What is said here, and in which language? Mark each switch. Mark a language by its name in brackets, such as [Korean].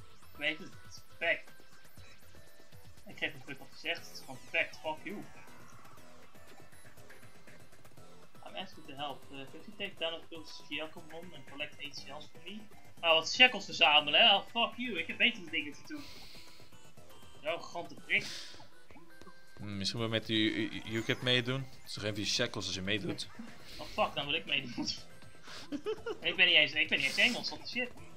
[Dutch] Ik weet het, het is perfect. Ik geef het terug wat je zegt, het is gewoon perfect, fuck you. [English] I'm asking to help. Could you take down a few Shacklemon and collect 8 shells for me? [Dutch] Oh, wat shackles verzamelen, hè? Oh, fuck you, ik heb betere dingen te doen. Zo, grote prik. Misschien wel met die UKIP meedoen. Het is geen vier shackles als je meedoet. Oh fuck, dan wil ik meedoen. ik ben niet eens Engels, [English] what the shit.